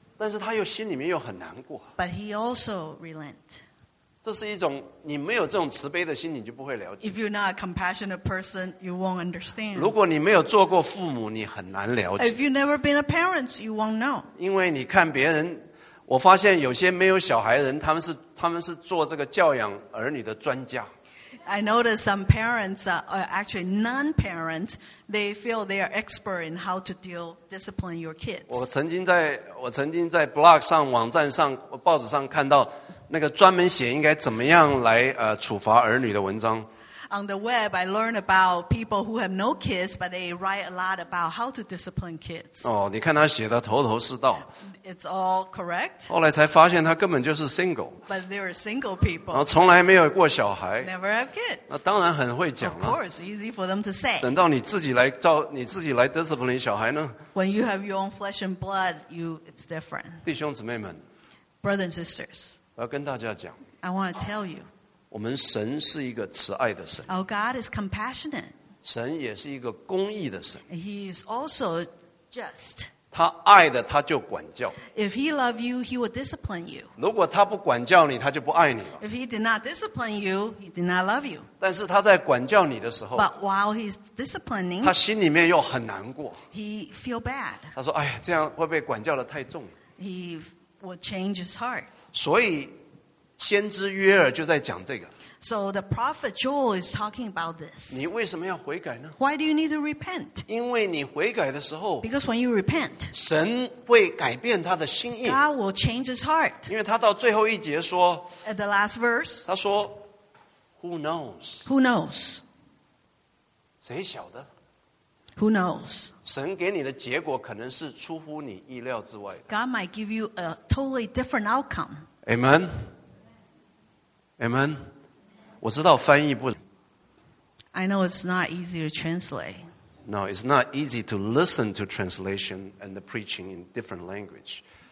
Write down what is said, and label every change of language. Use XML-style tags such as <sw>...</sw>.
<zh>但是他又心里面又很难过,</zh> <en>but he also relent.</en> <zh>这是一种你没有这种慈悲的心,</zh> <en>if you're not a compassionate person, you won't understand.</en> <zh>如果你没有做过父母,</zh> <en>if you've never been a parent, you won't know.</en> <zh>因为你看别人, 我发现有些没有小孩人, 他们是做这个教养儿女的专家。</zh> <en>I noticed some parents, actually non-parents, they feel they are expert in how to deal, discipline your kids.</en> <zh>我曾经在 blog 上, 网站上, 报纸上 看到, 那个专门写应该怎么样来, 处罚儿女的文章。</zh> <en>On the web, I learned about people who have no kids, but they write a lot about how to discipline kids.</en> <zh>哦, 你看他写得头头是道。</zh> <en>It's all correct.</en> <zh>后来才发现他根本就是single。</zh> <en>But they were single people.</en> <zh>然后从来没有过小孩。</zh> <en>Never have kids.</en> <zh>那当然很会讲了。</zh> <en>Of course, easy for them to say.</en> <zh>等到你自己来照, 你自己来discipline小孩呢?</zh> <en>When you have your own flesh and blood, it's different.</en> <zh>弟兄姊妹们,</zh> <en>brothers and sisters,</en> <zh>我要跟大家讲,</zh> <en>I want to tell you,</en> <zh>我们神是一个慈爱的神。</zh> <en>Our God is compassionate.</en> <zh>神也是一个公义的神。</zh> <en>He is also just.</en> <zh>他爱的他就管教。</zh> <en>If he loves you, he will discipline you.</en> <zh>如果他不管教你, 他就不爱你了。</zh> <en>If he did not discipline you, he did not love you.</en> <zh>但是他在管教你的时候,</zh> <en>but while he's disciplining,</en> <zh>他心里面又很难过。</zh> <en>He feel bad.</en> <zh>他说, 哎, 这样会被管教得太重。</zh> <en>He will change his heart.</en> <zh>所以, 先知约珥就在讲这个。So</zh> <en>the prophet Joel is talking about this.</en> <zh>你为什么要悔改呢?</zh> <en>Why do you need to repent?</en> <zh>因为你悔改的时候,</zh> <en>because when you repent,</en> <zh>神会改变他的心意。</zh> <en>God will change his heart.</en> <zh>因为他到最后一节说,</zh> <en>at the last verse,</en> <zh>他说,</zh> <en>who knows? Who knows?</en> <zh>谁晓得?</zh> <en>Who knows?</en> <zh>神给你的结果可能是出乎你意料之外的。</zh> <en>God might give you a totally different outcome.</en> <zh>Amen. Amen. 我知道翻译不,</zh> <en>I know it's not easy to translate. No, it's not easy to listen to translation and the preaching in different language.</en>